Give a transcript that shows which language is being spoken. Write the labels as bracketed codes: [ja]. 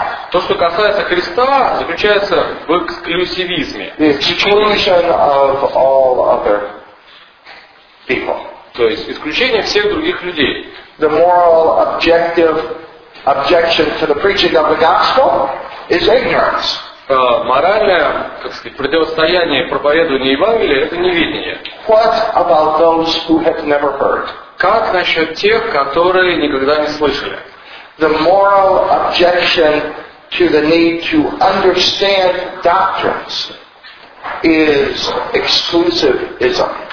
[ru] То, что касается Христа, заключается в эксклюзивизме. [en] Exclusion of all other people. [ru] То есть исключение всех других людей. [en] The moral objective objection to the preaching of the gospel is ignorance. [ru] Моральное, противостояние проповедованию Евангелия — это неведение. [en] What about those who have never heard? [ru] Как насчет тех, которые никогда не слышали? [en] The moral objection to the need to understand doctrines is exclusivism.